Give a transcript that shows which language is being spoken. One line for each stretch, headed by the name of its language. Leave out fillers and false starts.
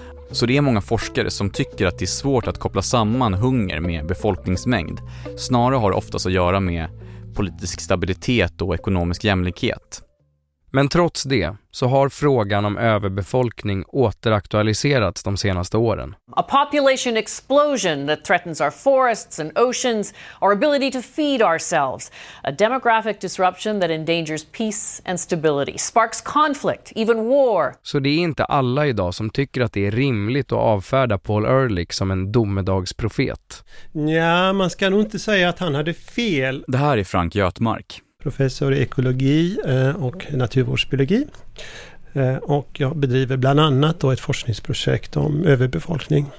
Swedish: Så det är många forskare som tycker att det är svårt att koppla samman hunger med befolkningsmängd. Snarare har det oftast att göra med politisk stabilitet och ekonomisk jämlikhet. Men trots det så har frågan om överbefolkning återaktualiserats de senaste åren.
English: A population explosion that threatens our forests and oceans, our ability to feed ourselves. A demographic disruption that endangers peace and stability, sparks conflict, even war.
Swedish: Så det är inte alla idag som tycker att det är rimligt att avfärda Paul Ehrlich som en domedagsprofet. Ja, man ska nog inte säga att han hade fel. Det här är Frank Götmark. Professor i ekologi och naturvårdsbiologi. Och jag bedriver bland annat då ett forskningsprojekt om överbefolkning.